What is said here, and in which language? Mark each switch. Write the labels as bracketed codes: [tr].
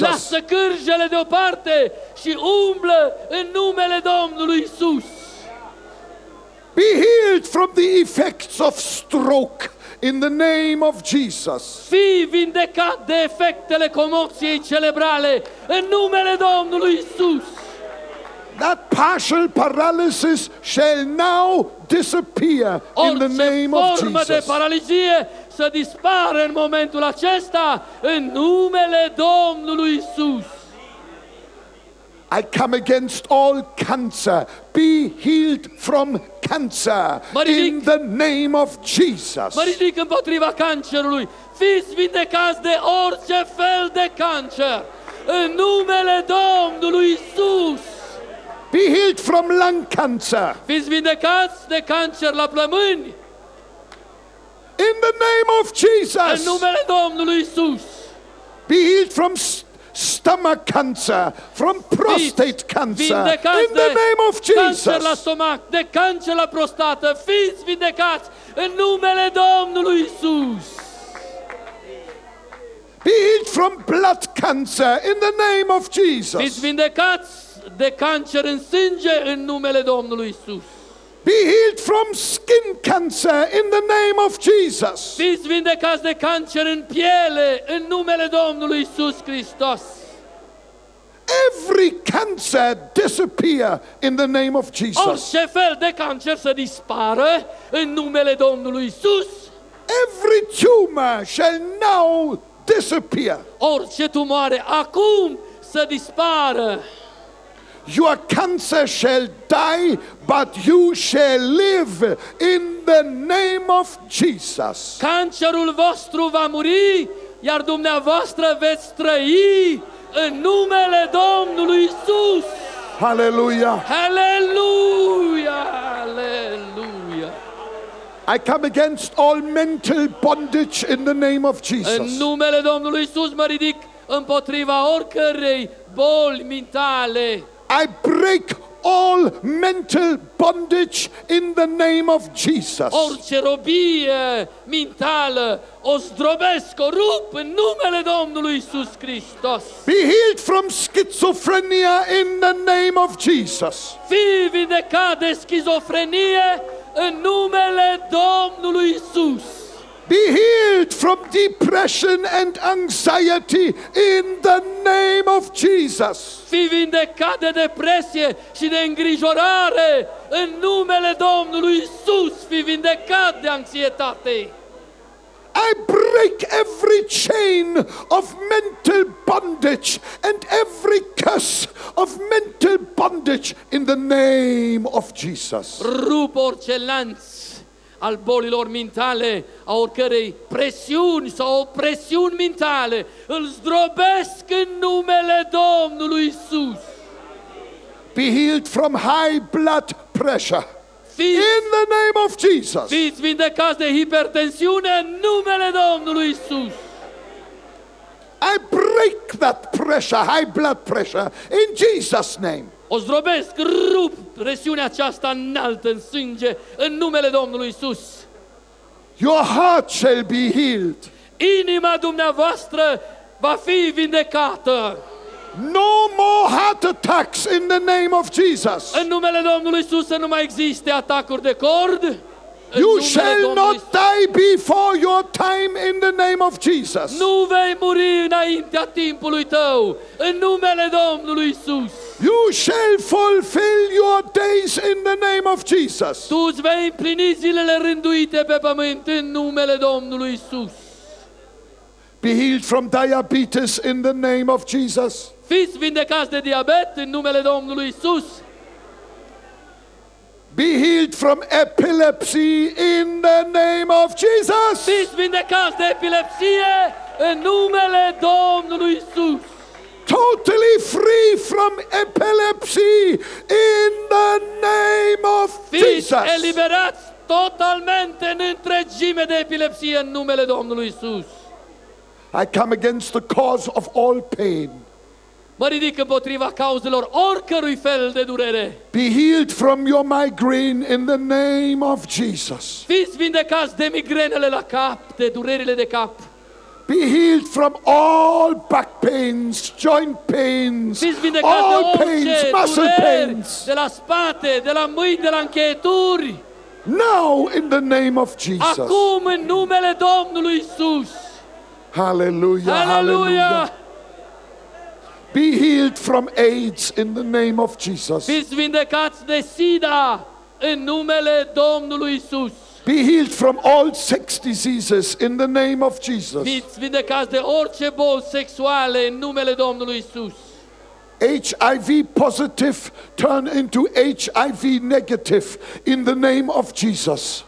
[ro] Lasă cârjele deoparte și umblă în numele Domnului Iisus. [en] Be healed from the effects of stroke in the name of Jesus. [ro] Fii vindecat de efectele comoției cerebrale în numele Domnului Iisus. [en] That partial paralysis shall now disappear in the name of Jesus. [ro] Orice formă de paralizie să dispară în momentul acesta în numele Domnului Iisus. [en] I come against all cancer. Be healed from cancer in the name of Jesus. [ro] Mă ridic împotriva cancerului. Fiți vindecați de orice fel de cancer în numele Domnului Iisus. [en] Be healed from lung cancer. [ro] Fiți vindecați de cancer la plămâni. [en] In the name of Jesus. [ro] În numele Domnului Iisus. [en] Be healed from stomach cancer, from prostate cancer. In the name of Jesus. [ro] Cancer la stomac, de cancer la prostată. Fiți vindecați în numele Domnului Iisus. [en] Be healed from blood cancer in the name of Jesus. [ro] Fiți vindecați de cancer în sânge în numele Domnului Iisus. [en] Be healed from skin cancer in the name of Jesus. [ro] Fiți vindecați de cancer în piele în numele Domnului Iisus Hristos. [en] Every cancer disappear in the name of Jesus. [ro] Orice fel de cancer să dispară în numele Domnului Iisus. [en] Every tumor shall now disappear. [ro] Orice tumoare acum să dispară. [en] Your cancer shall die, but you shall live in the name of Jesus. [ro] Cancerul vostru va muri, iar dumneavoastră veți trăi în numele Domnului Iisus. [en] Hallelujah. Hallelujah. Hallelujah. I come against all mental bondage in the name of Jesus. [ro] În numele Domnului Iisus mă ridic împotriva oricărei boli mentale. [en] I break all mental bondage in the name of Jesus. [ro] Orice robie mentală o zdrobesc, o rup în numele Domnului Iisus Hristos. [en] Be healed from schizophrenia in the name of Jesus. [ro] Fii vindecat de schizofrenie în numele Domnului Iisus. [en] Be healed from depression and anxiety in the name of Jesus. [ro] Fii vindecat de depresie și de îngrijorare în numele Domnului Iisus. Fii vindecat de anxietate. [en] I break every chain of mental bondage and every curse of mental bondage in the name of Jesus. [ro] Rup orice lanț al bolilor mintale, a oricărei presiuni sau opresiuni mintale, îl zdrobesc în numele Domnului Iisus. [en] Be healed from high blood pressure. In the name of Jesus. [ro] Fiți vindecați de hipertensiune în numele Domnului Iisus. [en] I break that pressure, high blood pressure, in Jesus' name. [ro] O zdrobesc, rup presiunea aceasta înaltă în sânge în numele Domnului Iisus. [en] Your heart shall be healed. [ro] Inima dumneavoastră va fi vindecată. [en] No more heart attacks in the name of Jesus. [ro] În numele Domnului Iisus să nu mai existe atacuri de cord. [en] You shall not die before your time in the name of Jesus. [ro] Nu vei muri înaintea timpului tău în numele Domnului Iisus. [en] You shall fulfill your days in the name of Jesus. [ro] Tu îți vei împlini zilele rânduite pe pământ în numele Domnului Iisus. [en] Be healed from diabetes in the name of Jesus. [ro] Fiți vindecați de diabet în numele Domnului Iisus. [en] Be healed from epilepsy in the name of Jesus. [ro] Fiți vindecați de epilepsie în numele Domnului Iisus. [en] Totally free from epilepsy in the name of Jesus. [ro] Fiți eliberați totalmente în întregime de epilepsie în numele Domnului Iisus. [en] I come against the cause of all pain. [ro] Mă ridic împotriva cauzelor oricărui fel de durere. [en] Be healed from your migraine in the name of Jesus. [ro] Fiți vindecați de migrenele la cap, de durerile de cap. [en] Be healed from all back pains, joint pains. [ro] Fiți vindecați [en] all pains, muscle pains. [ro] De la spate, de la mâini, de la încheieturi. [en] Now in the name of Jesus. [ro] Acum în numele Domnului Iisus. [en] Hallelujah. Hallelujah. Be healed from AIDS in the name of Jesus. [ro] Fiți vindecați de SIDA în numele Domnului Iisus. [en] Be healed from all sex diseases in the name of Jesus. [ro] Fiți vindecați de orice bol sexuale în numele Domnului Iisus. [en] HIV positive turn into HIV negative in the name of Jesus.